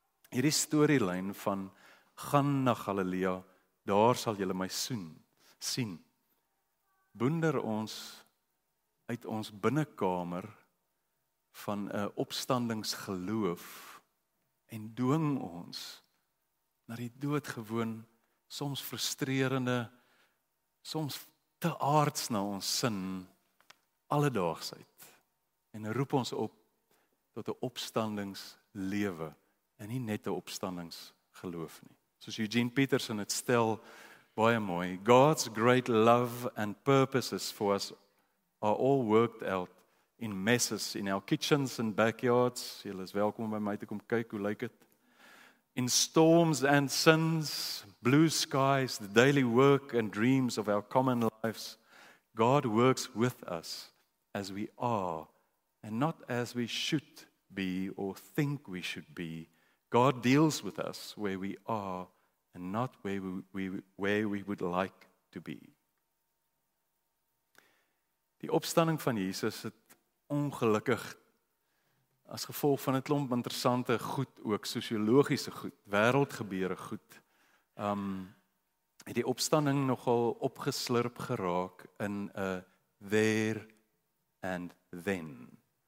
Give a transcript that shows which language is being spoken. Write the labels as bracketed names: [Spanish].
[Afrikaans] Hierdie storielyn van gaan na Galilea, daar sal julle my sien, boender ons uit ons binnenkamer van 'n opstandingsgeloof en dwing ons na die doodgewoon, soms frustrerende, soms te aards na ons sin, alledaagsheid. En roep ons op tot 'n opstandingslewe en nie net 'n opstandingsgeloof nie. Soos Eugene Peterson het stel, baie mooi, [English] God's great love and purposes for us are all worked out in messes in our kitchens and backyards. [Afrikaans] Julle is welkom by my te kom kyk, hoe lyk dit? [English] In storms and suns, blue skies, the daily work and dreams of our common lives, God works with us as we are and not as we should be or think we should be. God deals with us where we are and not where we would like to be. [Afrikaans] Die opstanding van Jesus het ongelukkig as gevolg van 'n klomp interessante goed, ook sosiologiese goed, wêreldgebeure goed, het die opstanding nogal opgeslurp geraak in 'n [English] there and then.